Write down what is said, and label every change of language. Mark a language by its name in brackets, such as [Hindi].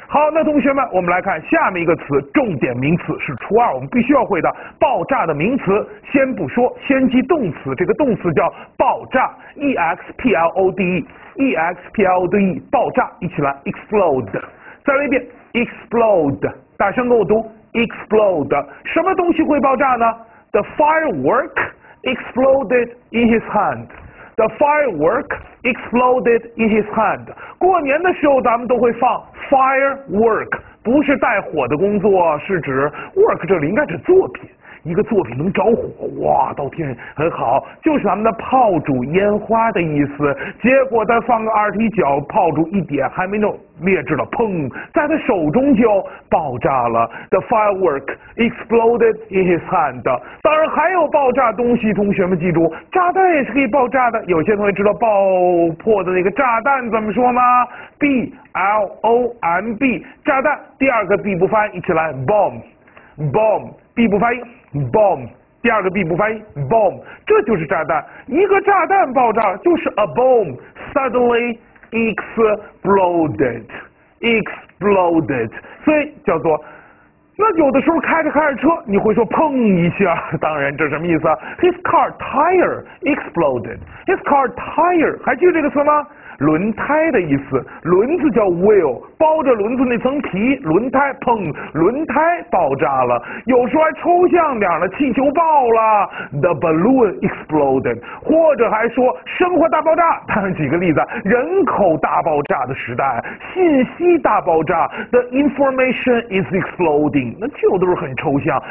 [Chinese] 好，那同学们，我们来看下面一个词，重点名词是初二我们必须要会的爆炸的名词。先不说，先记动词，这个动词叫爆炸， explode， 爆炸，一起来 explode。再来一遍 explode， 大声跟我读 explode。什么东西会爆炸呢？ [English] The firework exploded in his handThe firework exploded in his hand。 [Chinese] 过年的时候咱们都会放 firework， 不是带火的工作，是指 work 这里应该是作品，一个作品能着火，哇，到天上很好，就是咱们的炮竹烟花的意思。结果他放个二踢脚，炮竹一点还没弄灭制了，砰，在他手中就爆炸了。 [English] The firework exploded in his hand。 [Chinese] 当然还有爆炸东西，同学们记住，炸弹也是可以爆炸的。有些同学知道爆破的那个炸弹怎么说吗？ B-L-O-M-B， 炸弹，第二个 B 不发音，一起来 bomb， bomb， B 不发音bomb， 第二个 B 不发音 bomb， 这就是炸弹。一个炸弹爆炸就是 [English] a bomb suddenly exploded， [Chinese] 所以叫做。那有的时候开着开着车，你会说砰一下，当然这什么意思啊？ [English] His car tire exploded， his car tire， [Chinese] 还记得这个词吗？轮胎的意思，轮子叫 wheel， 包着轮子那层皮，轮胎，砰，轮胎爆炸了。有时候还抽象点了，气球爆了， [English] the balloon exploded， [Chinese] 或者还说生活大爆炸。当然举个例子，人口大爆炸的时代，信息大爆炸， [English] the information is exploding， [Chinese] 那就都是很抽象。